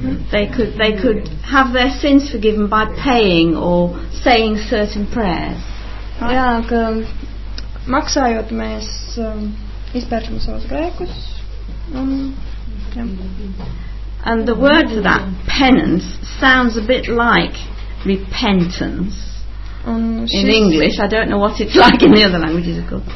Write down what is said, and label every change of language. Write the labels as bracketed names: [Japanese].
[English] They could have their sins forgiven by paying or saying certain prayers. [Latvian] Jā, ka maksājot mēs izpērtam savus grēkus. [English] And the word for that, penance, sounds a bit like repentance. [Latvian] Un [English] in English, I don't know what it's like in the other languages, of course.